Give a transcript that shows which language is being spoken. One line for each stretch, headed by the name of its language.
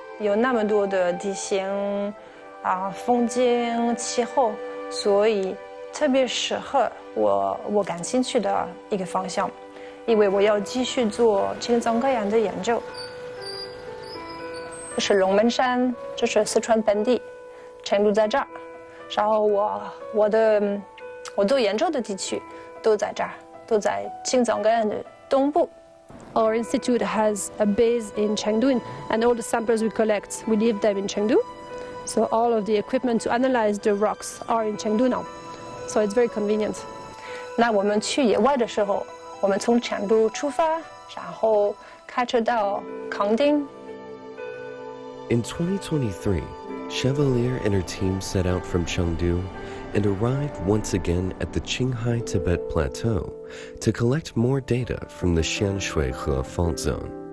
Chinese: 有那么多的地形，风景、气候，所以特别适合我感兴趣的一个方向，因为我要继续做青藏高原的研究。这是龙门山，这是四川盆地，成都在这儿，然后我做研究的地区都在这儿，都在青藏高原的东部。
English: Our institute has a base in Chengdu, and all the samples we collect, we leave them in Chengdu. So all of the equipment to analyze the rocks are in Chengdu now. So it's very convenient.
Chinese: 那我们去野外的时候，我们从成都出发，然后开车到康定。
English: In 2023, Chevalier and her team set out from Chengdu. And arrived once again at the Qinghai Tibet Plateau to collect more data from the Xianshui He Fault Zone.